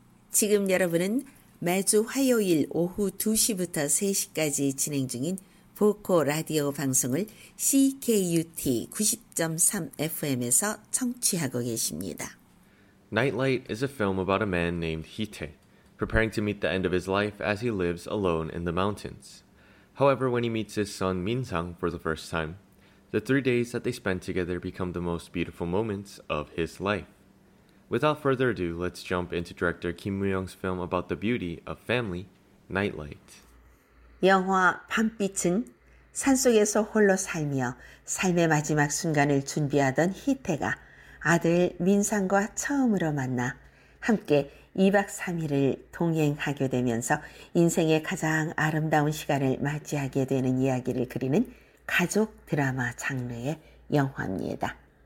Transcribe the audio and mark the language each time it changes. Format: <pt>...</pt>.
<ko>지금 여러분은 매주 화요일 오후 2시부터 3시까지 진행 중인 보코 라디오 방송을 CKUT 90.3 FM에서 청취하고 계십니다.</ko> <en>Nightlight is a film about a man named Hite, preparing to meet the end of his life as he lives alone in the mountains. However, when he meets his son Min-sang for the first time, the 3 days that they spend together become the most beautiful moments of his life. Without further ado, let's jump into director Kim Woo-young's film about the beauty of family, Nightlight.</en> <ko>영화 밤빛은 산속에서 홀로 살며 삶의 마지막 순간을 준비하던 희태가 아들 민상과 처음으로 만나 함께 2박 3일을 동행하게 되면서 인생의 가장 아름다운 시간을 맞이하게 되는 이야기를 그리는 가족 드라마 장르의 영화입니다.</ko>